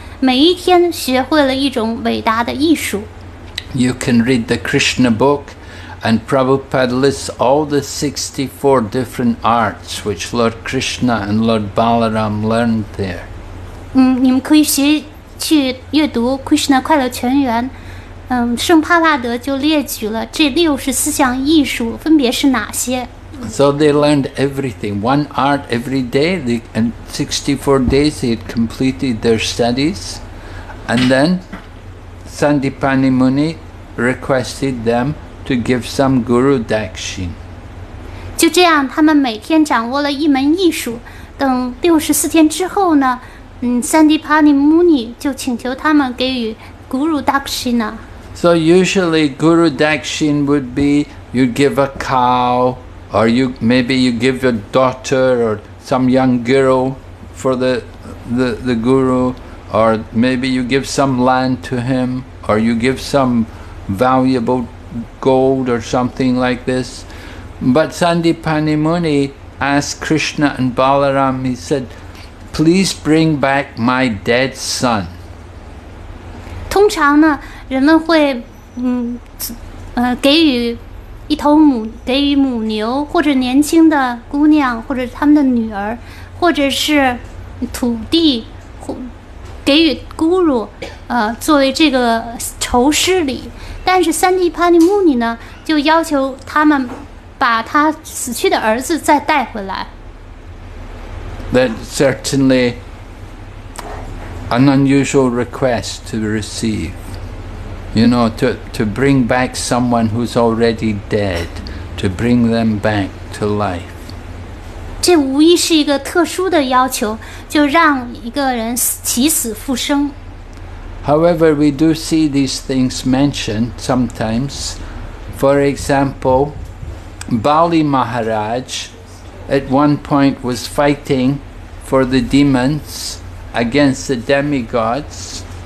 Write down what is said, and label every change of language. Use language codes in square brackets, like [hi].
[zh] 每一天学会了一种伟大的艺术。 [en] You can read the Krishna book, and Prabhupada lists all the 64 different arts which Lord Krishna and Lord Balaram learned there. [zh] 你们可以学去阅读《Krishna 快乐全员》。圣帕帕德就列举了这64项艺术分别是哪些。 [en] So they learned everything, one art every day, and 64 days they had completed their studies. And then Sandipani Muni requested them to give some guru dakshin. [zh] 就这样，他们每天掌握了一门艺术。等六十四天之后呢，Sandipani Muni 就请求他们给予 guru dakshin 呢。 [en] So usually guru dakshin would be you give a cow, or you maybe you give your daughter or some young girl for the guru, or maybe you give some land to him, or you give some valuable gold or something like this. But Sandipani Muni asked Krishna and Balaram, he said, please bring back my dead son. [zh] 通常呢，人们会给予一头母给予母牛或者年轻的姑娘或者他们的女儿或者是土地给予 guru 作为这个酬施礼。但是 Sandipani Muni 呢就要求他们把他死去的儿子再带回来。 [en] That certainly an unusual request to receive. You know, to bring back someone who's already dead, to bring them back to life. [zh] 这无疑是一个特殊的要求，就让一个人起死复生。 [en] However, we do see these things mentioned sometimes. For example, Bali Maharaj at one point was fighting for the demons against the demigods.